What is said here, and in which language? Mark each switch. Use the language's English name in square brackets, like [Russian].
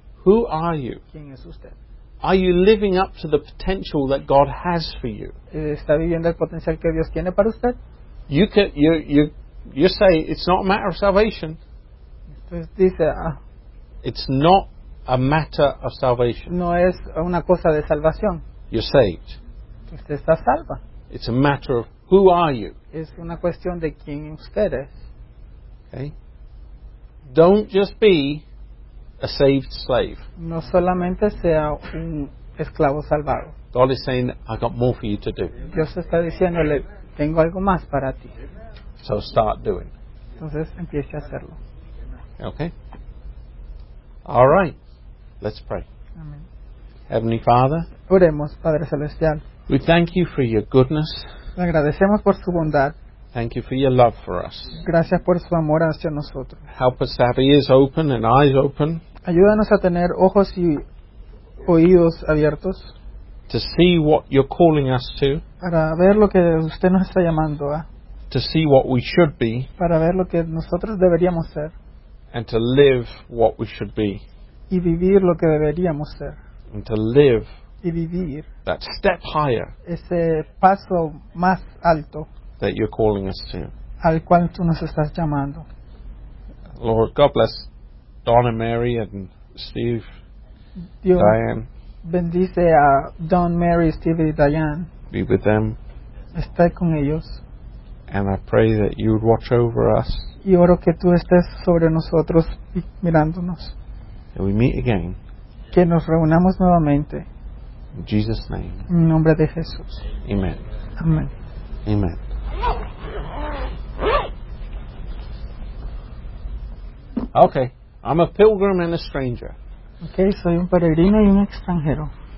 [English] Who are you? [Spanish] ¿Quién es usted? [English] Are you living up to the potential that God has for you? [Spanish] ¿Está viviendo el potencial que Dios tiene para usted? [English] You say it's not a matter of salvation. It's not a matter of salvation. [Spanish] No es una cosa de salvación. [English] You're saved. [Spanish] Usted está salva. [English] It's a matter of who are you. [Spanish] Es una cuestión de quién usted es. [English] Okay. Don't just be a saved slave. [Spanish] No solamente sea un esclavo salvado. [English] God is saying, I've got more for you to do. [Spanish] Dios está diciéndole, tengo algo más para ti. [English] So start doing. [Spanish] Entonces empiece a hacerlo. [English] Okay. All right. Let's pray. Amen. Heavenly Father. [Spanish] Oremos, Padre Celestial. [English] We thank you for your goodness. [Spanish] Le agradecemos por su bondad. [English] Thank you for your love for us. [Spanish] Gracias por su amor hacia nosotros. [English] Help us have ears open and eyes open. [Spanish] Ayúdanos a tener ojos y oídos abiertos. [English] To see what you're calling us to. [Spanish] Para ver lo que usted nos está llamando a. [English] To see what we should be. [Spanish] Para ver lo que nosotros deberíamos ser. [English] And to live what we should be. [Spanish] Y vivir lo que deberíamos ser. [English] And to live. [Spanish] Y vivir. [English] That step higher. [Spanish] Ese paso más alto. [English] That you're calling us to. [Spanish] Al cual tú nos estás llamando. [English] Lord, God bless Don and Mary and Steve, [Spanish] Dios, Diane. Bendice a Don, Mary, Steve y Diane. [English] Be with them. [Spanish] Estar con ellos. [English] And I pray that you would watch over us. [Spanish] Y oro que tú estés sobre nosotros y mirándonos. [English] And we meet again. [Spanish] Que nos reunamos nuevamente. [English] In Jesus' name. [Spanish] En nombre de Jesús. [English] Amen. Amen. Amen. Okay, I'm a pilgrim and a stranger. [Spanish] Okay, soy un peregrino y un extranjero.